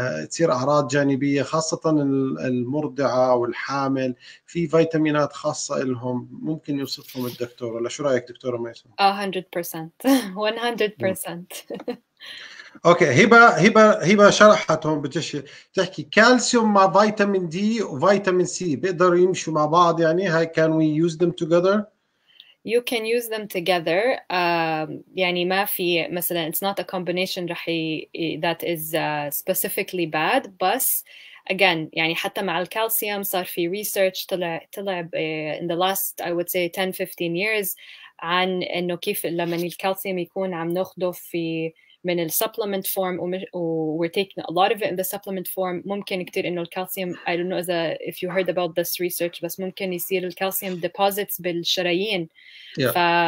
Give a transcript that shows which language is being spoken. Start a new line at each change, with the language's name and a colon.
Arabic: تصير أعراض جانبية خاصة المرضعة والحامل في فيتامينات خاصة لهم ممكن يوصفهم الدكتور ولا شو رأيك دكتورة ميسون؟ 100% 100% أوكي هبة شرحت هون بتحكي كالسيوم مع فيتامين دي وفيتامين سي بيقدروا يمشوا مع بعض يعني هاي
English: can we use them together؟ You can use them together.
Arabic: يعني ما في مثلا
English: it's not a combination
Arabic: رح
English: that is specifically bad but again
Arabic: يعني حتى مع الكالسيوم صار في
English: research طلع in the last I would say 10-15 years
Arabic: عن انه كيف لما الكالسيوم يكون عم ناخده في من ال
English: supplement form و we're taking a lot of it in the supplement form
Arabic: ممكن كتير انه الكالسيوم
English: I don't know if you heard about this research
Arabic: بس ممكن يصير الكالسيوم
English: deposits
Arabic: بالشرايين ف